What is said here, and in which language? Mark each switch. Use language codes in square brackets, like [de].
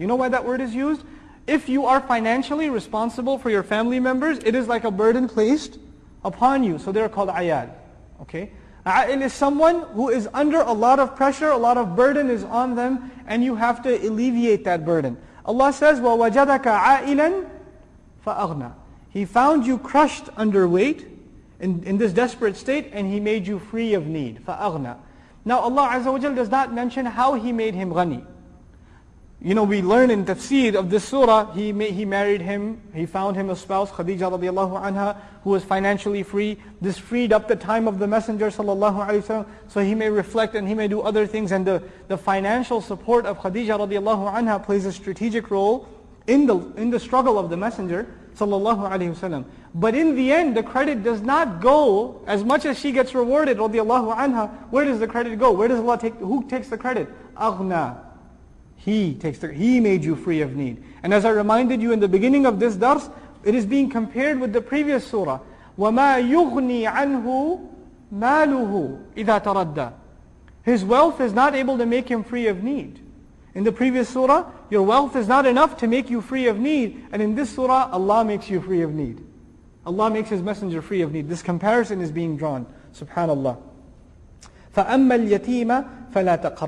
[en] You know why that word is used? If you are financially responsible for your family members, it is like a burden placed upon you. So they're called ayal. Okay? A'il is someone who is under a lot of pressure, a lot of burden is on them, and you have to alleviate that burden. Allah says, [ar] وَوَجَدَكَ عَائِلًا فَأَغْنَى. [en] He found you crushed under weight in this desperate state, and He made you free of need. [ar] فَأَغْنَى. [en] Now Allah Azza wa Jal does not mention how He made him ghani. You know, we learn in Tafseer of this surah, he married him, he found him a spouse, Khadija radiallahu anha, who was financially free. This freed up the time of the Messenger sallallahu alayhi wa sallam, so he may reflect and he may do other things. And the financial support of Khadija radiallahu anha plays a strategic role in the struggle of the Messenger sallallahu alayhi wa sallam. But in the end, the credit does not go, as much as she gets rewarded radiallahu anha, where does the credit go? Where does Allah take, who takes the credit? Aghna. He made you free of need. And as I reminded you in the beginning of this dars, it is being compared with the previous surah. [ar] وَمَا يُغْنِي عَنْهُ مَالُهُ إِذَا تَرَدَّى. [en] His wealth is not able to make him free of need. In the previous surah, your wealth is not enough to make you free of need. And in this surah, Allah makes you free of need. Allah makes His Messenger free of need. This comparison is being drawn. [ar] SubhanAllah. فَأَمَّا الْيَتِيمَ فَلَا تَقْهَرْ.